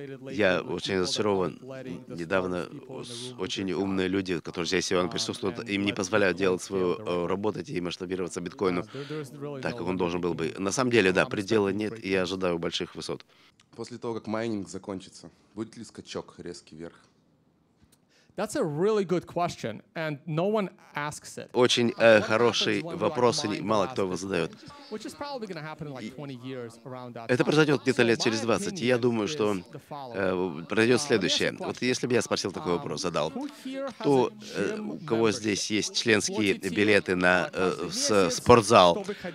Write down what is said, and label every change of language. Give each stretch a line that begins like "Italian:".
Russian: Я очень разочарован. Недавно очень умные люди, которые здесь сегодня присутствуют, им не позволяют делать свою работу и масштабироваться биткоину так, как он должен был бы. На самом деле, да, предела нет, и я ожидаю больших высот. После того, как майнинг закончится, будет ли скачок резкий вверх?
English: That's a really good question, and no one asks it.
Russian: Очень хороший вопрос, и мало кто его задает. Это произойдет где-то лет через 20, и я думаю, что произойдет следующее. Вот если бы я спросил такой вопрос, задал, кто, у кого здесь есть членские билеты на спортзал?